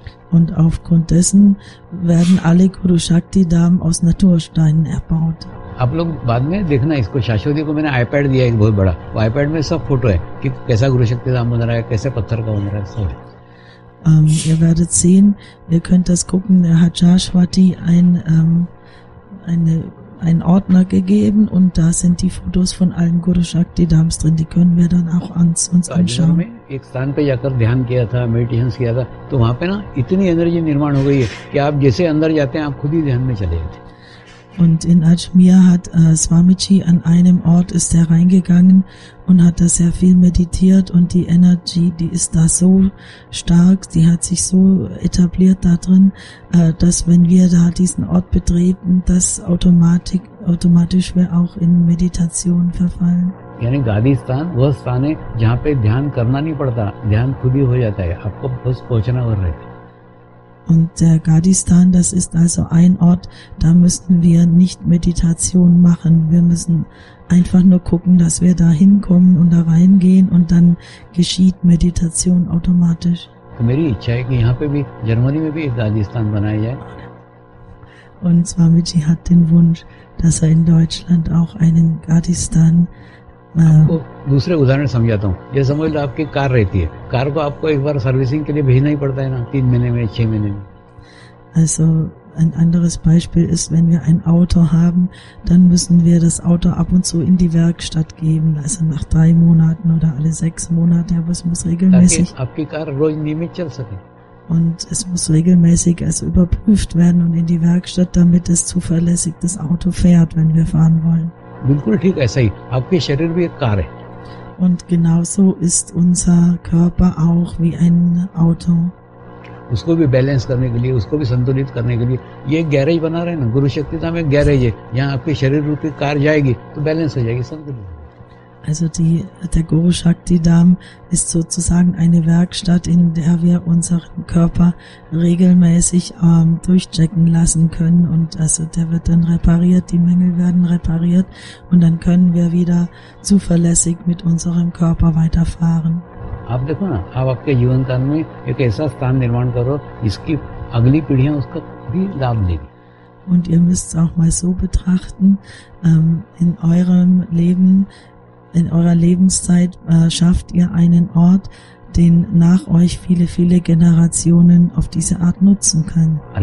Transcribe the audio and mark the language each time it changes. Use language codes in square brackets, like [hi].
[de] Und aufgrund dessen werden alle Guru Shakti Dham aus Natursteinen erbaut. [hi] आप लोग बाद में देखना इसको. शाश्वती को मैंने आईपैड दिया एक बहुत बड़ा. वो आईपैड में सब फोटो है कि कैसा गुरु शक्ति धाम बन रहा है, कैसे पत्थर का बन रहा है, सब है. [de] Ihr werdet sehen, ihr könnt das gucken. Er hat Jashwati einen Ordner gegeben und da sind die Fotos von allen Guru Shakti Dams drin. Die können wir dann auch uns anschauen. Ich habe Meditation gemacht und da war so viel Energie entstanden, dass ihr, wie ihr in den Inneren geht, ihr selbst in den Inneren geht. Und in Ajmer hat Swamiji an einem Ort ist er reingegangen und hat da sehr viel meditiert und die Energie, die ist da so stark, die hat sich so etabliert da drin, dass wenn wir da diesen Ort betreten, das automatisch wir auch in Meditation verfallen. [hi] यानी गादी स्थान वह स्थान है जहाँ पे ध्यान करना नहीं पड़ता, ध्यान खुद ही हो जाता है, आपको बस पहुँचना पड़ रहा है. [de] Und der Gadistan, das ist also ein Ort, da müssen wir nicht Meditation machen. Wir müssen einfach nur gucken, dass wir da hinkommen und da reingehen und dann geschieht Meditation automatisch. Und Swamiji hat den Wunsch, dass er in Deutschland auch einen Gadistan. [hi] आपको दूसरे उदाहरण समझाता हूँ. ये समझ लो आपकी car रहती है, कार को आपको एक बार सर्विसिंग के लिए भेजना ही पड़ता है ना, तीन महीने में, छह महीने में. [de] Also ein anderes Beispiel ist, wenn wir ein Auto haben, dann müssen wir das Auto ab und zu in die Werkstatt geben, also nach 3 Monaten oder alle 6 Monate, aber es muss regelmäßig. [hi] आपकी car रोज नियमित चल सके. [de] Und es muss regelmäßig also überprüft werden und in die Werkstatt, damit es zuverlässig das Auto fährt, wenn wir fahren wollen. [hi] बिल्कुल ठीक ऐसा ही. आपके शरीर भी एक कार है. [de] Und genauso ist unser Körper auch wie ein Auto. [hi] उसको भी बैलेंस करने के लिए, उसको भी संतुलित करने के लिए ये गैरेज बना रहे ना, गुरु शक्ति धाम एक गैरेज है, यहाँ आपके शरीर रूपी कार जाएगी तो बैलेंस हो जाएगी, संतुलित. [de] Also der Guru Shakti Dham ist sozusagen eine Werkstatt, in der wir unseren Körper regelmäßig durchchecken lassen können. Und also der wird dann repariert, die Mängel werden repariert und dann können wir wieder zuverlässig mit unserem Körper weiterfahren. [hi] आप देखो ना, आप आपके जीवन काल में एक ऐसा स्थान निर्माण करो, इसकी अगली पीढ़ियां उसका भी लाभ लेगी. [de] Und ihr müsst es auch mal so betrachten, in eurem Leben, in eurer Lebenszeit schafft ihr einen Ort, den nach euch viele, viele Generationen auf diese Art nutzen können.